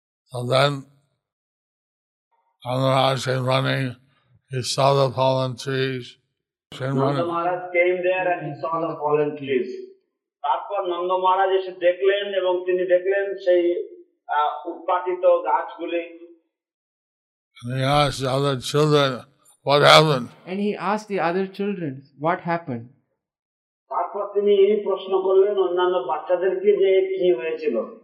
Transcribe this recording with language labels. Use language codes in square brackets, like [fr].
[en] So then, Anuraj came running, he saw the fallen trees. Nanda Maharaj came there and he saw the fallen trees. [bn] তারপর নন্দ মহারাজ এসে দেখলেন এবং তিনি দেখলেন সেই উৎপাটিত গাছগুলি। [en] And he asked the other children, what happened? And he asked the other children, what happened? [bn] তারপর তিনি এই প্রশ্ন করলেন অন্যান্য বাচ্চাদেরকে যে কি হয়েছিল।